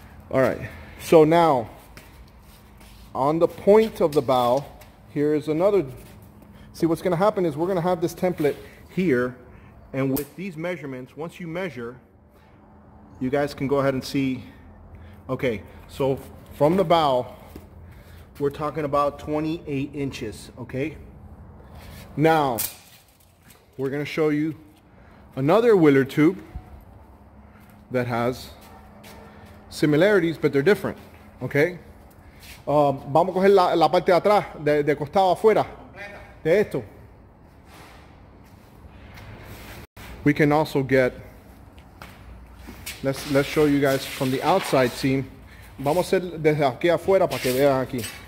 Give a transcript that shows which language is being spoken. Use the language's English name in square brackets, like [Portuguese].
[English] All right, so now on the point of the bow, here is another, see what's gonna happen is we're gonna have this template here, and with these measurements, once you measure, you guys can go ahead and see, okay, so from the bow, we're talking about 28 inches, okay? Now, we're gonna show you another Willard tube that has similarities, but they're different, okay? [Spanish] Vamos a coger la parte de atrás, de costado afuera, de esto. [English] We can also get, let's show you guys from the outside seam. [Spanish] Vamos a hacer desde aquí afuera para que vean aquí.